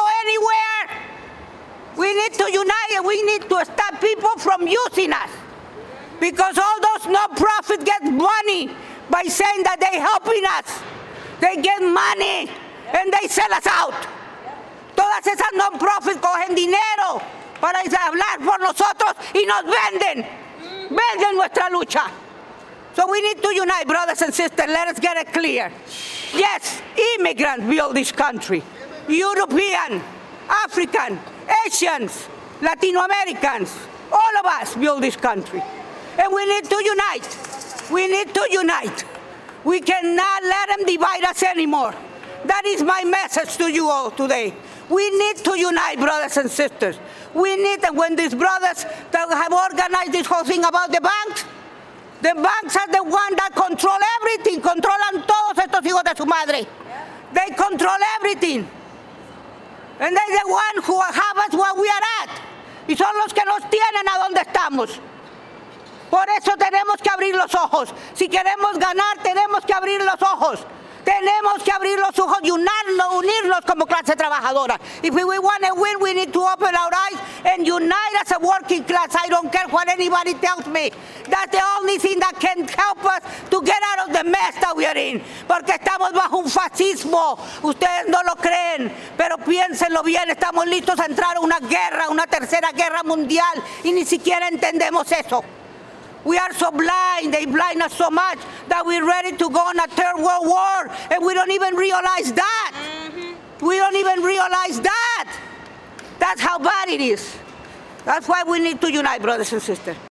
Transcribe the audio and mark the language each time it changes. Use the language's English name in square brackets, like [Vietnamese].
[English] need to unite and we need to stop people from using us. Because all those non-profits get money by saying that they're helping us. They get money and they sell us out. [Spanish] Todas esas non-profits cogen dinero para hablar por nosotros y nos venden. Venden nuestra lucha. [English] So we need to unite, brothers and sisters. Let us get it clear. Yes, immigrants build this country. European, African, Asians, Latino Americans, all of us build this country. And we need to unite. We need to unite. We cannot let them divide us anymore. That is my message to you all today. We need to unite, brothers and sisters. We need, and when these brothers that have organized this whole thing about the banks are the ones that control everything, [Spanish] controlan todos estos hijos de su madre. [English] They control everything. And they're the ones who have us where we are at. [Spanish] Y son los que nos tienen a donde estamos. Por eso tenemos que abrir los ojos. Si queremos ganar, tenemos que abrir los ojos. Tenemos que abrir los ojos y unirnos como clase trabajadora. [English] If we want to win, we need to open our eyes and unite as a working class. I don't care what anybody tells me. That's the only thing that can help us to get out of the mess that we are in. [Spanish] Porque estamos bajo un fascismo. Ustedes no lo creen, pero piénsenlo bien. Estamos listos a entrar a una guerra, una tercera guerra mundial, y ni siquiera entendemos eso. [English] We are so blind, they blind us so much that we're ready to go on a third world war and we don't even realize that. Mm-hmm. We don't even realize that. That's how bad it is. That's why we need to unite, brothers and sisters.